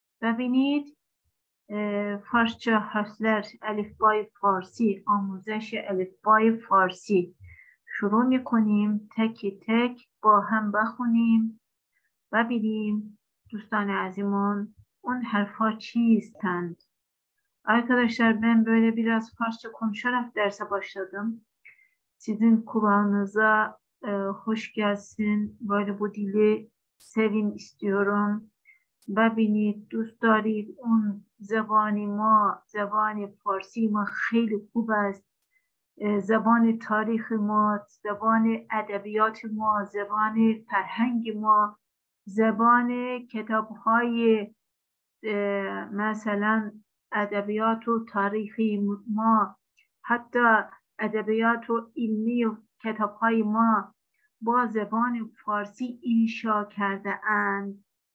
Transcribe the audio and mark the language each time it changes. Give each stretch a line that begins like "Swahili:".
Persian: ببینید
Turkish: فارسچه حرفلر
Persian: الفبای فارسی، آموزش الفبای فارسی شروع میکنیم. تک تک با هم بخونیم و ببینیم دوستان عزیزمون اون حرفا چیستند.
Turkish: arkadaşlar ben böyle biraz Farsça konuşarak derse başladım. Sizin kulağınıza hoş gelsin. Böyle bu dili sevin istiyorum.
Persian: ببینید دوست دارید اون زبان ما، زبان فارسی ما خیلی خوب است، زبان تاریخ ما، زبان ادبیات ما، زبان فرهنگ ما، زبان کتاب های مثلا ادبیات و تاریخی ما، حتی ادبیات و علمی و کتاب های ما با زبان فارسی انشا کرده اند.